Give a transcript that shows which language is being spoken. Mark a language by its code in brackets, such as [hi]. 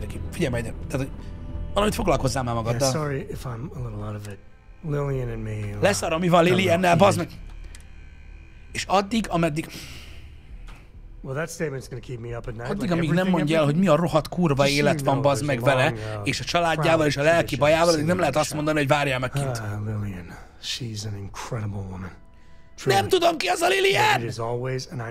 [hu] Figyelj majd ide. Tehát, hogy valamit foglalkozzál már magaddal. [en] Yeah, sorry if I'm a little out of it. Lillian and me. [hu] Leszarom, mi van Lilliannel, bazd meg. És addig, ameddig... [en] Well, that statement's gonna keep me up at night. [hu] Addig, amíg nem mondja el, hogy mi a rohadt kurva élet van, bazd meg vele, és a családjával és a lelki bajával, addig nem lehet azt mondani, hogy várjál meg kint. [en] Lillian, she's an incredible woman. [hu] Nem tudom, ki az a Lillian!